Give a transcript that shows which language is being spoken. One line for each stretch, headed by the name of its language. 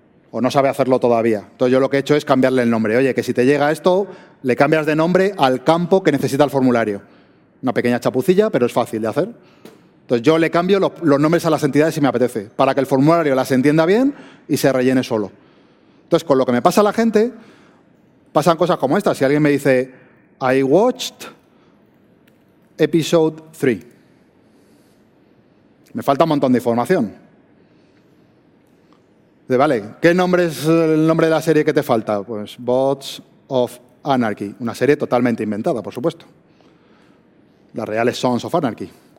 Spanish: O no sabe hacerlo todavía. Entonces yo lo que he hecho es cambiarle el nombre. Oye, que si te llega esto, le cambias de nombre al campo que necesita el formulario. Una pequeña chapucilla, pero es fácil de hacer. Entonces yo le cambio los nombres a las entidades si me apetece, para que el formulario las entienda bien y se rellene solo. Entonces con lo que me pasa a la gente, pasan cosas como estas. Si alguien me dice,
English: I watched episode 3.
Spanish: Me falta un montón de información. De, vale, ¿qué nombre es el nombre de la serie que te falta? Pues Bots of Anarchy, una serie totalmente inventada, por supuesto. Las reales Sons of Anarchy.